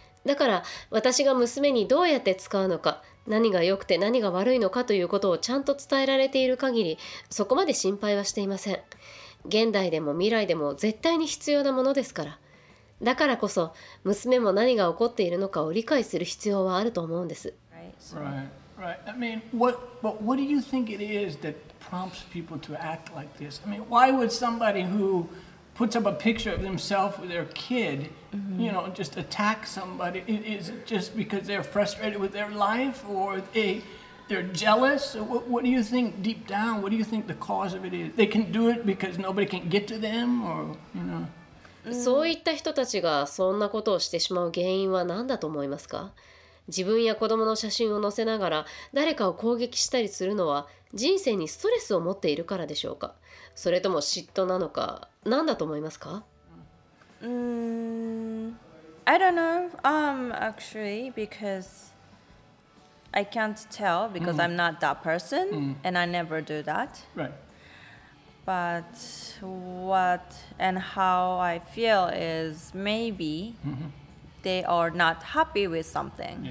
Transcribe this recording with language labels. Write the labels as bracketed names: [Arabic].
[Japanese] だから私が娘にどうやって使うのか、何が良くて何が悪いのかということをちゃんと伝えられている限り、そこまで心配はしていません。現代でも未来でも絶対に必要なものですから。だからこそ娘も何が起こっているのかを理解する必要はあると思うんです。 [English] Right. I mean, what do you think it is that prompts people to act like this? I mean, why would somebody who puts up a picture of themselves with their kid, you know, just attack somebody? Is it just because they're frustrated with their life, or they're jealous? What do you think deep down, what do you think the cause of it is? They can do it because nobody can get to them, or, you know? [Japanese] そういった人たちがそんなことをしてしまう原因は何だと思いますか？自分や子供の写真を載せながら誰かを攻撃したりするのは人生にストレスを持っているからでしょうか？それとも嫉妬なのか、何だと思いますか？ [English] I don't know. Actually, because I can't tell because I'm not that person and I never do that. Right. But what and how I feel is maybe they are not happy with something.